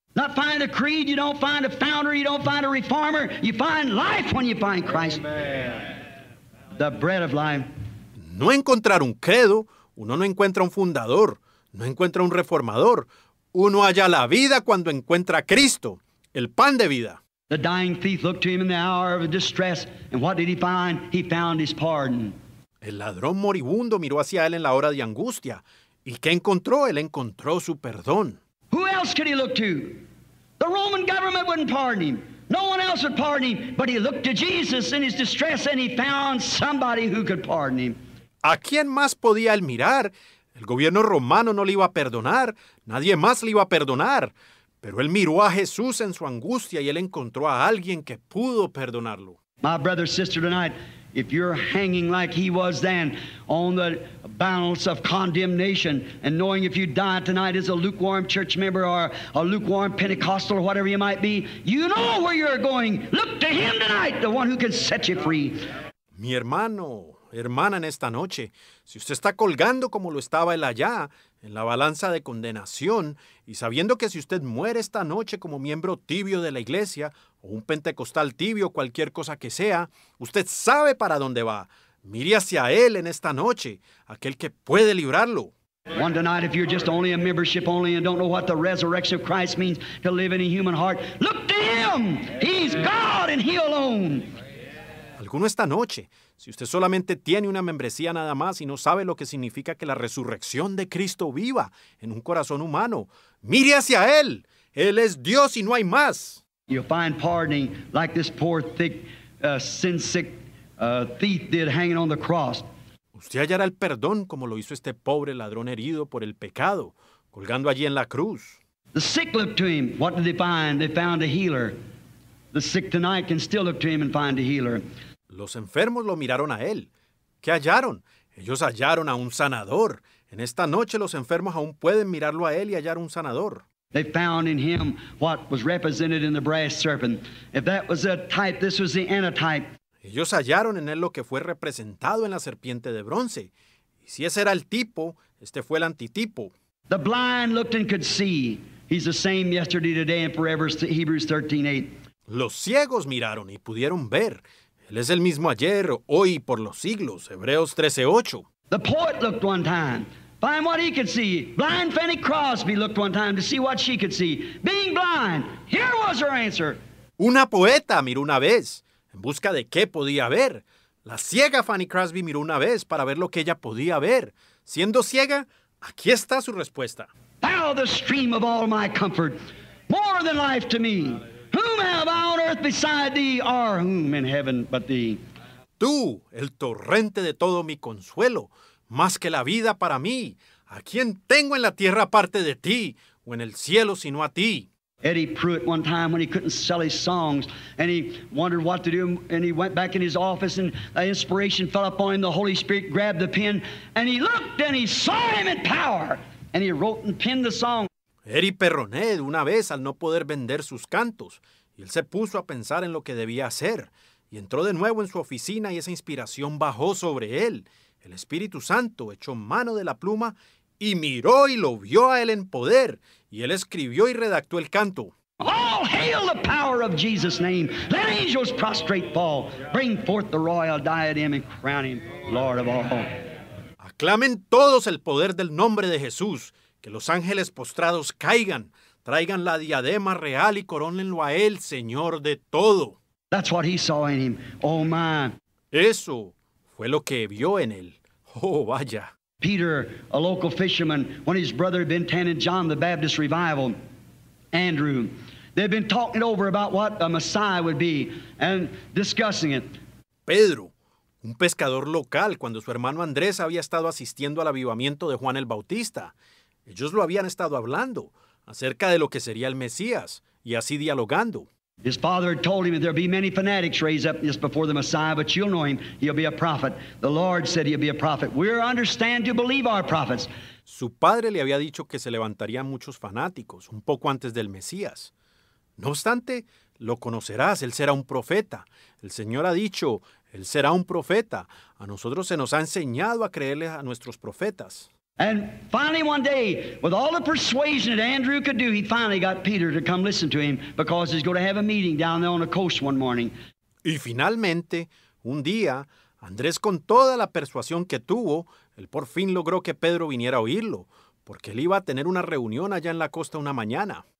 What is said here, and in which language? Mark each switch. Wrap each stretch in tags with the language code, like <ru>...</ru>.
<en>Not find a creed, you don't find a founder, you don't find a reformer. You find life when you find Christ. Amen. The bread of life.</en> <es>No encontrar un credo, uno no encuentra un fundador, no encuentra un reformador. Uno halla la vida cuando encuentra a Cristo, el pan de vida.</es> <en>The dying thief looked to him in the hour of distress, and what did he find? He found his pardon.</en> <es>El ladrón moribundo miró hacia él en la hora de angustia. ¿Y qué encontró? Él encontró su perdón.</es> <en>Who else could he look to? The Roman government wouldn't pardon him. No one else would pardon him. But he looked to Jesus in his distress and he found somebody who could pardon him.</en> <es>¿A quién más podía él mirar? El gobierno romano no le iba a perdonar. Nadie más le iba a perdonar. Pero él miró a Jesús en su angustia y él encontró a alguien que pudo perdonarlo.</es> <en>My brother, sister, tonight, if you're hanging like he was then on the balance of condemnation and knowing if you die tonight as a lukewarm church member or a lukewarm Pentecostal or whatever you might be, you know where you're going. Look to him tonight, the one who can set you free.</en> <es>Mi hermano, hermana, en esta noche, si usted está colgando como lo estaba él allá en la balanza de condenación y sabiendo que si usted muere esta noche como miembro tibio de la iglesia o un pentecostal tibio, cualquier cosa que sea, usted sabe para dónde va. Mire hacia él en esta noche, aquel que puede librarlo.</es> <en>One tonight, if you're just only a membership only and don't know what the resurrection of Christ means to live in a human heart, look to him. He's God and he alone.</en> <es>Alguno esta noche, si usted solamente tiene una membresía nada más y no sabe lo que significa que la resurrección de Cristo viva en un corazón humano, mire hacia él. Él es Dios y no hay más.</es> <en>You'll find pardoning like this poor, thick, sin-sick thief did hanging on the cross.</en> <es>Usted hallará el perdón como lo hizo este pobre ladrón herido por el pecado, colgando allí en la cruz.</es> <en>The sick looked to him. What did they find? They found a healer. The sick tonight can still look to him and find a healer.</en> <es>Los enfermos lo miraron a él. ¿Qué hallaron? Ellos hallaron a un sanador. En esta noche los enfermos aún pueden mirarlo a él y hallar un sanador.</es> <en>They found in him what was represented in the brass serpent. If that was a type, this was the antitype.</en> <es>Ellos hallaron en él lo que fue representado en la serpiente de bronce. Y si ese era el tipo, este fue el antitipo.</es> <en>The blind looked and could see. He's the same yesterday, today, and forever. Hebrews 13:8.</en> <es>Los ciegos miraron y pudieron ver. Él es el mismo ayer, hoy y por los siglos. Hebreos 13:8.</es> <en>The poet looked one time. Find what he could see. Blind Fanny Crosby looked one time to see what she could see. Being blind, here was her answer.</en> <es>Una poeta miró una vez en busca de qué podía ver. La ciega Fanny Crosby miró una vez para ver lo que ella podía ver. Siendo ciega, aquí está su respuesta.</es> <en>Thou the stream of all my comfort, more than life to me. Whom have I on earth beside thee, or whom in heaven but thee?</en> <es>Tú, el torrente de todo mi consuelo, más que la vida para mí. ¿A quién tengo en la tierra aparte de ti, o en el cielo sino a ti?</es> <en>Eddie Pruitt one time when he couldn't sell his songs, and he wondered what to do, and he went back in his office, and the inspiration fell upon him, the Holy Spirit grabbed the pen, and he looked, and he saw him in power, and he wrote and penned the song.</en> <es>Eddie Perronet, una vez al no poder vender sus cantos, y él se puso a pensar en lo que debía hacer, y entró de nuevo en su oficina y esa inspiración bajó sobre él. El Espíritu Santo echó mano de la pluma y miró y lo vio a él en poder, y él escribió y redactó el canto.</es> <en>All hail the power of Jesus' name. Let angels prostrate fall. Bring forth the royal diadem and crown him Lord of all.</en> <es>Aclamen todos el poder del nombre de Jesús. Que los ángeles postrados caigan. Traigan la diadema real y corónenlo a él, Señor de todo.</es> <en>That's what he saw in him. Oh, my.</en> <es>Eso fue lo que vio en él. Oh, vaya.</es> <en>Peter, a local fisherman, when his brother had been tanning John the Baptist revival, Andrew, they'd been talking over about what a Messiah would be and discussing it.</en> <es>Pedro, un pescador local, cuando su hermano Andrés había estado asistiendo al avivamiento de Juan el Bautista, ellos lo habían estado hablando acerca de lo que sería el Mesías y así dialogando.</es> <en>His father had told him that there'd be many fanatics raised up just before the Messiah, but you'll know him. He'll be a prophet. The Lord said he'll be a prophet. We're understand to believe our prophets.</en> <es>Su padre le había dicho que se levantarían muchos fanáticos un poco antes del Mesías. No obstante, lo conocerás, él será un profeta. El Señor ha dicho, él será un profeta. A nosotros se nos ha enseñado a creerle a nuestros profetas.</es> <en>And finally one day, with all the persuasion that Andrew could do, he finally got Peter to come listen to him because he's going to have a meeting down there on the coast one morning.</en> <es>Y finalmente, un día, Andrés con toda la persuasión que tuvo, él por fin logró que Pedro viniera a oírlo, porque él iba a tener una reunión allá en la costa una mañana.</es>